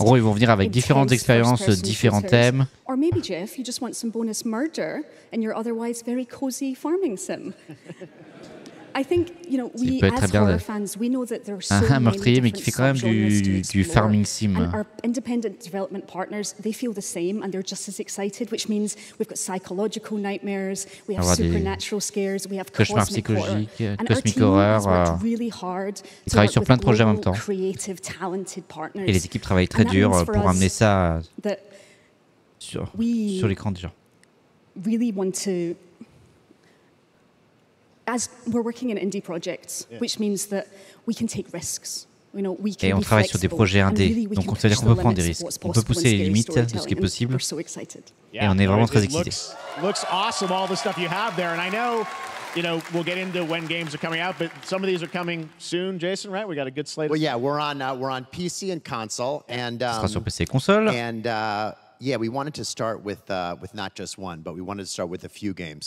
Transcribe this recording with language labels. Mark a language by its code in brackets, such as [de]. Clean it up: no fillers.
[fr] En gros, ils vont venir avec différentes expériences, différents thèmes. [en] Or maybe, Jeff, you just want some bonus murder in your otherwise very cozy farming sim. I think, you know, we as horror fans, we know that there are so many different subgenres to explore. [fr] Mais qui fait quand même du farming sim. [en] And our independent development partners, they feel the same and they're just as excited, which means we've got psychological nightmares, we have supernatural scares, we have cosmic horror. And our team has worked really hard to work with global, creative, talented partners. [fr] Et les équipes travaillent très dur pour amener ça sur l'écran déjà. [en] Really want to... As we're working in indie projects, which means that we can take risks. You know, we can. [fr] Et on travaille sur des projets indés, donc on peut dire qu'on peut prendre des risques. On peut pousser les limites de ce qui est possible. Et on est vraiment très excités. [en] Looks awesome, all the stuff you have there. And I know, you know, we'll get into when games are coming out, but some of these are coming soon, Jason. Right? We got a good slate. Well, yeah, we're on PC and console, and. [fr] Ça sera sur PC et console. [en] And. Yeah, we wanted to start with not just one, but we wanted to start with a few games.